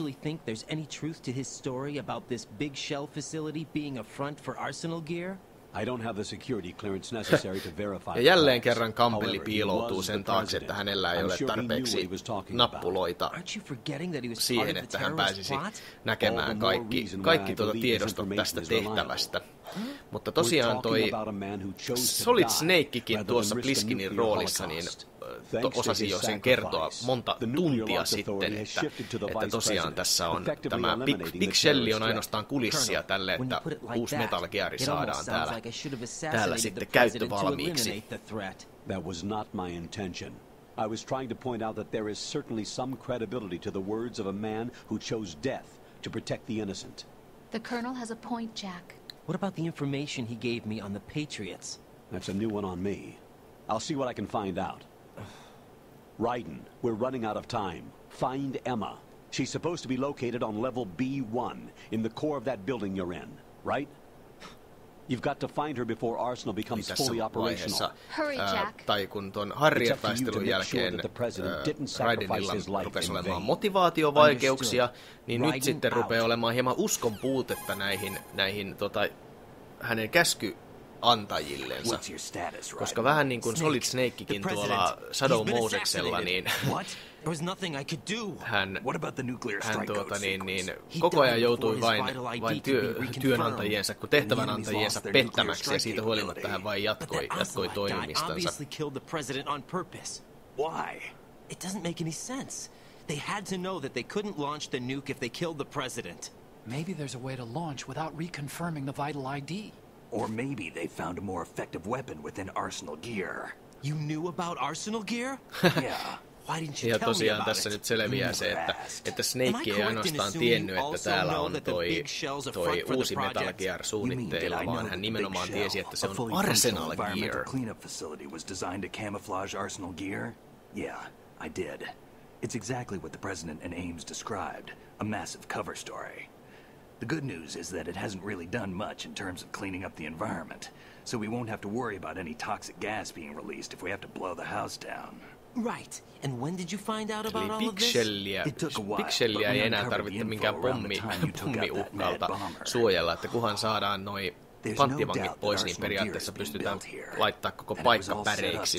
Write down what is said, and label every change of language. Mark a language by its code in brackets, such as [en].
[en] Do you actually think there's any truth to his story about this big shell facility being a front for arsenal gear? I don't have the security clearance necessary to verify. [fi] Ja jälleen kerran Campbelli piiloutuu sen taakse, että hänellä ei ole tarpeeksi nappuloita siihen, että hän pääsisi näkemään kaikki tiedostot tästä tehtävästä. Mutta tosiaan toi Solid Snakekin tuossa Pliskinin roolissa, niin osasi jo sen kertoa monta tuntia sitten, että tosiaan tässä on tämä Big Shell on ainoastaan kulissia tälle, että uusi Metal Gear saadaan täällä sitten käyttövalmiiksi. [en] That was not my intention. I was trying to point out that there is certainly some credibility to the words of a man who chose death to protect the innocent. The colonel has a point, Jack. What about the information he gave me on the Patriots? That's a new one on me. I'll see what I can find out. Raiden, we're running out of time. Find Emma. She's supposed to be located on level B1, in the core of that building you're in, right? You've got to find her before Arsenal becomes fully operational. Hurry, Jack. [fi] Tai kun ton harjataistelun jälkeen Raidenilla rupesi olemaan motivaatiovaikeuksia, niin nyt sitten rupeaa olemaan hieman uskon puutetta näihin hänen käskyantajillensa. [en] What's your status, Raiden? [fi] Koska vähän niin kuin Solid Snakekin tuolla Shadow Mosesella, niin [en] there was nothing I could do. What about the nuclear strike? [fi] Hän koko ajan joutui vain työnantajiensa, kun tehtävänantajiensa pettämäksi, ja siitä huolimatta hän vain jatkoi toimimistansa. [en] Obviously killed the president on purpose. Why? It doesn't make any sense. They had to know that they couldn't launch the nuke if they killed the president. Maybe there's a way to launch without reconfirming the vital ID. Or maybe they found a more effective weapon within arsenal gear. You knew about arsenal gear? Yeah. [fi] Ja tosiaan tässä nyt selviää se, että Snake ei ainoastaan tiennyt, että täällä on toi uusi Metal Gear suunnitteilla, vaan hän nimenomaan tiesi, että se on Arsenal Gear. [en] Cleanup facility was designed to camouflage Arsenal Gear? Yeah, I did. It's exactly what the president and Ames described, a massive cover story. The good news is that it hasn't really done much in terms of cleaning up the environment, so we won't have to worry about any toxic gas being released if we have to blow the house down. Right. And when did you find out about all of this? [fi] Big Shellia ei enää tarvitse minkään pommiuhkalta suojella, että kunhan saadaan noi panttivankit pois, niin periaatteessa pystytään laittaa koko paikka päreiksi.